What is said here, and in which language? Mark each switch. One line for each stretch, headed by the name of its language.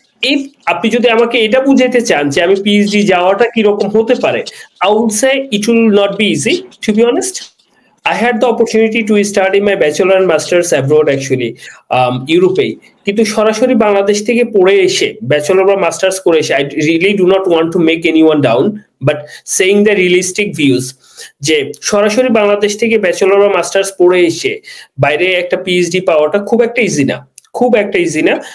Bangla: If আপনি যদি আমাকে এটা বুঝাইতে চান যে আমি পিএইচডি যাওয়াটা কিরকম হতে পারে,
English: I would say it will not be easy to be honest. I had the opportunity to study my bachelor and master's abroad actually, Europe.
Bangla: কিন্তু সরাসরি বাংলাদেশ থেকে পড়ে এসে ব্যাচেলর বা মাস্টার্স করে এসে,
English: I really do not want to make anyone down, but saying the realistic views,
Bangla: যে সরাসরি বাংলাদেশ থেকে ব্যাচেলর বা মাস্টার্স পড়ে এসে বাইরে একটা পিএইচডি পাওয়াটা খুব একটা ইজি না, খুব একটা ইজি না.